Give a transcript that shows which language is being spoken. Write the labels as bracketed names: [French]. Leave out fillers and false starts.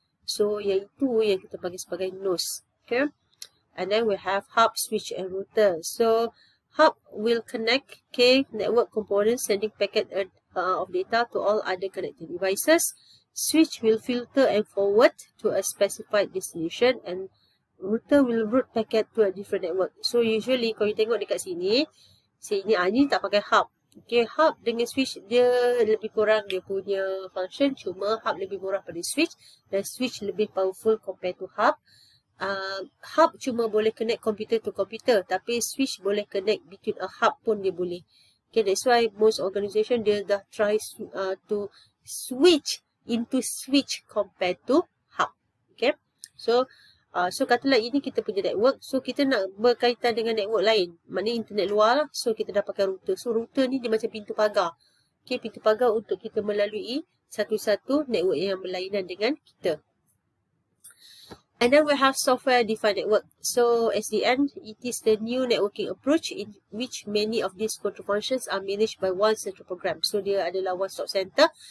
[Malay] So, yang itu yang kita panggil sebagai NOS. [English] Okay. And then we have hub, switch and router. So, hub will connect, okay, network components sending packet of data to all other connected devices. Switch will filter and forward to a specified destination. And router will route packet to a different network. [Malay] So, usually kalau you tengok dekat sini, sini ni tak pakai hub. Okay, hub dengan switch dia lebih kurang dia punya function. Cuma hub lebih murah pada switch. Dan switch lebih powerful [English] compared to hub. [Malay] Hub cuma boleh [English] connect computer to computer. [Malay] Tapi switch boleh connect between a hub pun dia boleh. Okay, [English] that's why most organisation [Malay] dia dah [English] try to switch into switch compared to hub. [Malay] Okay, so so katalah ini kita punya network, so kita nak berkaitan dengan network lain, maknanya internet luar lah, so kita dah pakai router. So router ni dia macam pintu pagar. Okay, pintu pagar untuk kita melalui satu-satu network yang berlainan dengan kita. [English] And then we have software defined network. So SDN, it is the new networking approach in which many of these control functions are managed by one central program. [Malay] So dia adalah [English] one stop center.